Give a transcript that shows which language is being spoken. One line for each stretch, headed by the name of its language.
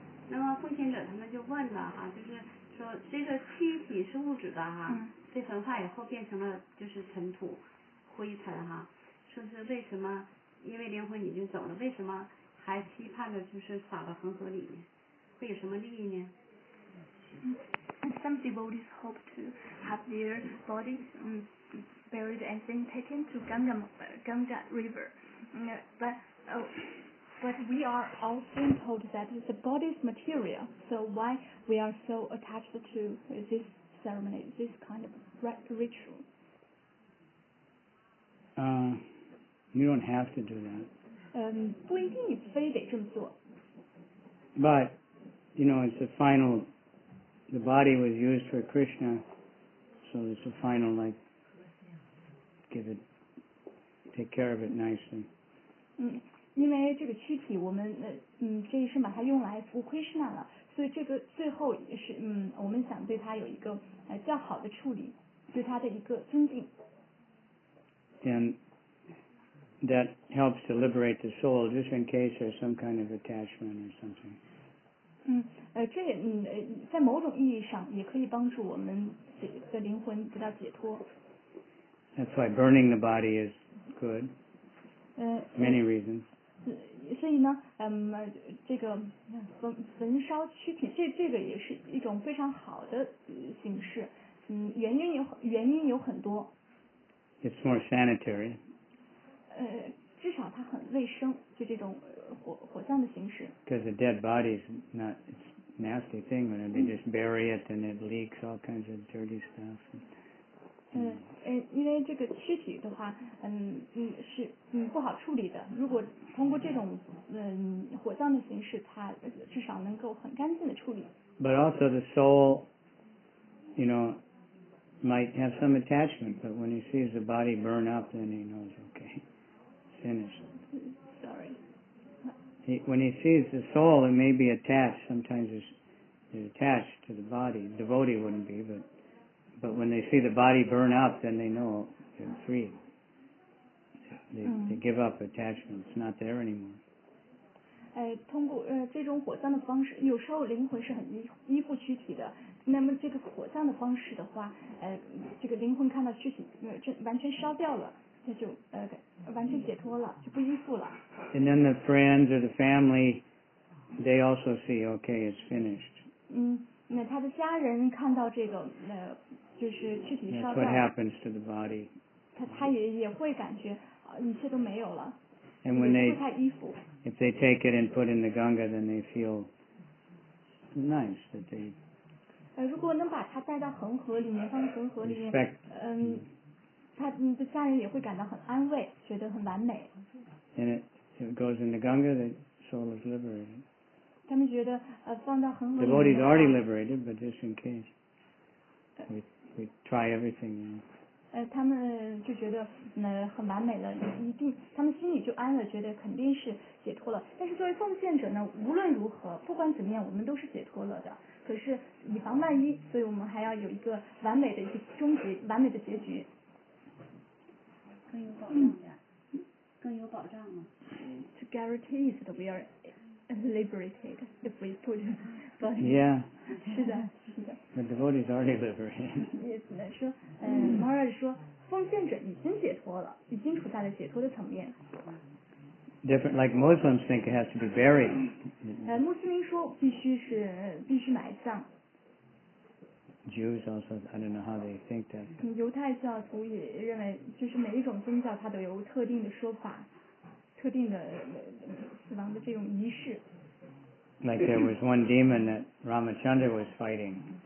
Chinese: 那么奉献者他们就问了哈，就是说这个躯体是物质的哈，被焚化以后变成了就是尘土灰尘哈，说是为什么？因为灵魂已经走了，为什么还期盼着就是撒到恒河里面，会有什么利益呢？
English: Some devotees hope to have their bodies buried and then taken to Ganga River. But we are often told that the body is material. So why we are so attached to this ceremony, this kind of ritual? You don't have to do that.
Chinese: 不一定你非得这么做。
English: But, you know, it's the final... The body was used for Krishna, so it's a final, like, give it, take care of it nicely.
Chinese: 因为这个躯体我们这一生把它用来服务 Krishna 了，所以这个最后也是我们想对它有一个较好的处理，对它的一个尊敬。
English: And that helps to liberate the soul, just in case there's some kind of attachment or something.
Chinese: 这在某种意义上也可以帮助我们的灵魂得到解脱。
English: That's why burning the body is good. Many reasons.
Chinese: 所以呢，这个焚烧躯体，这个也是一种非常好的形式。原因有很多。
English: It's more sanitary.
Chinese: 至少它很卫生，就这种。火葬的形式。
English: Because a dead body is not a nasty thing, when they just bury it and it leaks all kinds of dirty stuff.
Chinese: 因为这个躯体的话，是不好处理的。如果通过这种火葬的形式，它至少能够很干净的处理。
English: But also the soul, you know, might have some attachment, but when he sees the body burn up, then he knows, okay, finished. Sorry. When he sees the soul, it may be attached. Sometimes it's attached to the body. The devotee wouldn't be, but when they see the body burn up, then they know they're free. They give up attachment. It's not there anymore.
Chinese: 通过这种火葬的方式，有时候灵魂是很依附躯体的。那么这个火葬的方式的话，这个灵魂看到躯体完全烧掉了。那就完全解脱了，就不依附了。
English: And then the friends or the family, they also see, okay, it's finished.
Chinese: 那他的家人看到这个就是躯体烧掉。
English: That's what happens to the body.
Chinese: 他也会感觉一切都没有了。
English: And when they
Chinese: 不太依附。
English: If they take it and put in the Ganga, then they feel nice that they.
Chinese: 如果能把它带到恒河里面，放在恒河里面，
English: Respect,
Chinese: 他的家人也会感到很安慰，觉得很完美。
English: And it goes in the Ganga, the soul is liberated.
Chinese: 他们觉得放到恒河里。
English: The body is already liberated, but just in case, we try everything.
Chinese: 他们就觉得很完美了，一定他们心里就安了，觉得肯定是解脱了。但是作为奉献者呢，无论如何，不管怎么样，我们都是解脱了的。可是以防万一，所以我们还要有一个完美的一个终结，完美的结局。更有保障的，更有保障
English: 吗 ？To guarantee that we are liberated if we put body. Yeah.
Chinese: 是的，是的。
English: The devotee is already liberated.
Chinese: Yes, 说，Maharaj 说，奉献者已经解脱了，已经处在了解脱的层面。
English: Different, like Muslims think it has to be buried.
Chinese: 穆斯林说必须埋葬。
English: Jews also, I don't know how they think that.
Chinese: 犹太教徒也认为，就是每一种宗教它都有特定的说法，特定的死亡的这种仪式。
English: Like there was one demon that Ramachandra was fighting.